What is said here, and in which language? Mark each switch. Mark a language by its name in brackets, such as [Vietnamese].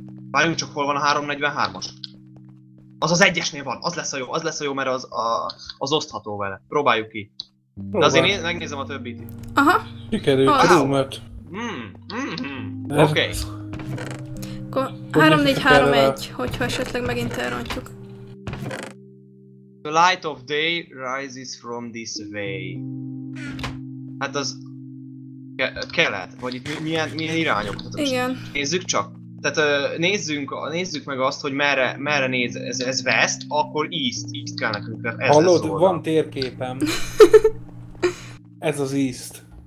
[Hungarian] Várjunk csak, hol van a 3.43-as? Az az egyesnél van, az lesz a jó, mert az osztható vele. Próbáljuk ki. De azért megnézem a többit. Aha. Sikerült, oh, rúmet. Mert... Oké. Akkor 3.4.3.1, hogyha esetleg megint elrontjuk. [English] The light of day rises from this way. [Hungarian] Hát az... kelet, vagy itt milyen irányok. Tehát igen. Nézzük csak. Tehát nézzük meg azt, hogy merre néz ez west, akkor east kell nekünk. Hallod, van térképem. Ez az east.